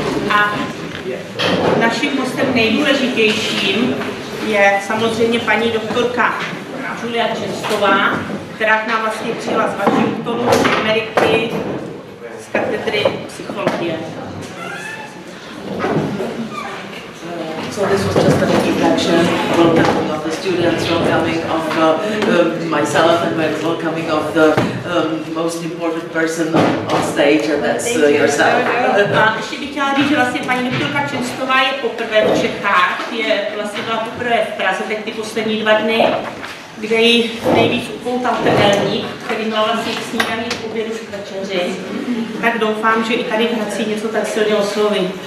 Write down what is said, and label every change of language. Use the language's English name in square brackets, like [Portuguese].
[Czech] A naším hostem nejdůležitějším je samozřejmě paní doktorka Julia Chenstová, která k nám vlastně přijela z Washingtonu, z Ameriky, z katedry psychologie. [English] So this was just an introduction, welcoming of the students, welcoming of myself, and welcoming of the most important person on stage, and that's yourself. [Czech] Ještě bych chtěla říct, že vlastně paní doktorka Chenstová je poprvé v Čechách, je vlastně byla poprvé v Praze teď ty poslední dva dny, kde ji nejvíc upoutal trdelník, který měl vlastně k snídaní k obědu k večeři. Tak doufám, že i tady v Hradci něco tak silně osloví.